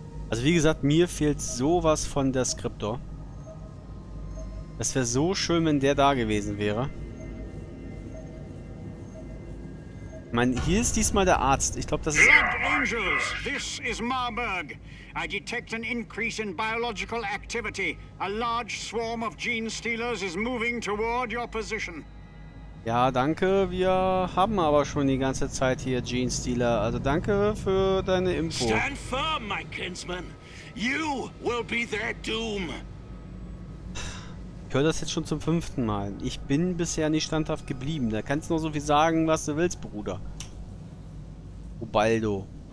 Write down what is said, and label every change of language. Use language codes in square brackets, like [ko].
[de] Also wie gesagt, mir fehlt sowas von der Skriptor. Das wäre so schön, wenn der da gewesen wäre. Ich meine, hier ist diesmal der Arzt. Ich glaube, das ist... [en] Blood Angels, this is Marburg. I detect an increase in biological activity. A large swarm of gene stealers is moving toward your position. [de] Ja, danke. Wir haben aber schon die ganze Zeit hier Gene Stealer. Also danke für deine Info. [en] Stand firm, my kinsman. You will be their doom. [de] Ich höre das jetzt schon zum 5. Mal. Ich bin bisher nicht standhaft geblieben. Da kannst du nur so viel sagen, was du willst, Bruder. Ubaldo.